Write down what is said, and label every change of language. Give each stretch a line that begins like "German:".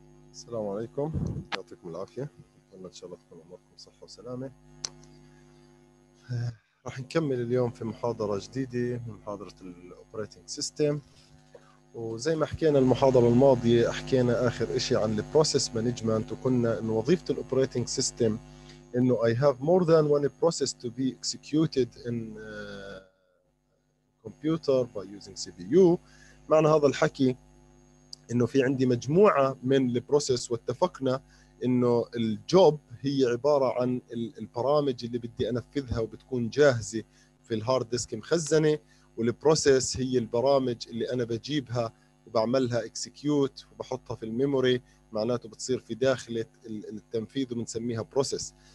Arabic: السلام عليكم، يعطيكم العافية، أتمنى إن شاء الله تكون أموركم صحة وسلامة. راح نكمل اليوم في محاضرة جديدة من محاضرة الـ Operating System. وزي ما حكينا المحاضرة الماضية، حكينا آخر إشي عن الـ Process Management، وقلنا إن وظيفة الـ Operating System إنه
English: I have more than one process to be executed in computer by using CPU.
Arabic: معنى هذا الحكي انه في عندي مجموعه من البروسيس، واتفقنا انه الجوب هي عباره عن البرامج اللي بدي انفذها وبتكون جاهزه في الهارد ديسك مخزنه، والبروسيس هي البرامج اللي انا بجيبها وبعملها اكسكيوت وبحطها في الميموري، معناته بتصير في داخله التنفيذ وبنسميها بروسيس.